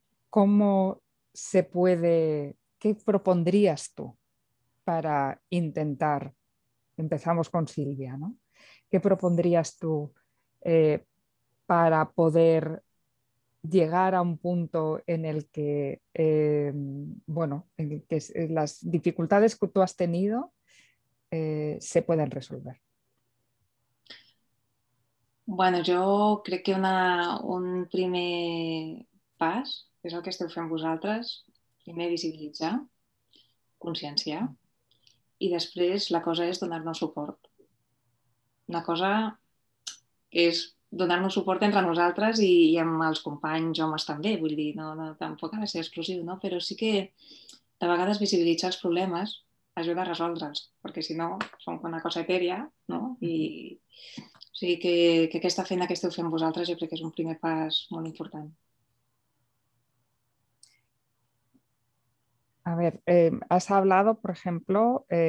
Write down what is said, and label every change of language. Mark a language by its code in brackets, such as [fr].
[es] ¿Cómo se puede, qué propondrías tú para intentar, empezamos con Silvia, ¿no? ¿Qué propondrías tú para poder llegar a un punto en el que, bueno, en el que las dificultades que tú has tenido se puedan resolver? [ca] Bueno, jo crec que un primer pas és el que esteu fent vosaltres. Primer, visibilitzar, conscienciar, i després la cosa és donar-nos suport. Una cosa és donar-nos suport entre nosaltres i amb els companys, homes també, vull dir, no, tampoc ha de ser exclusiu, no? Però sí que de vegades visibilitzar els problemes ajuda a resoldre'ls, perquè si no són una cosa etèria, no? I... O sigui que aquesta feina que esteu fent vosaltres jo crec que és un primer pas molt important. [es] A ver, has hablado, por ejemplo...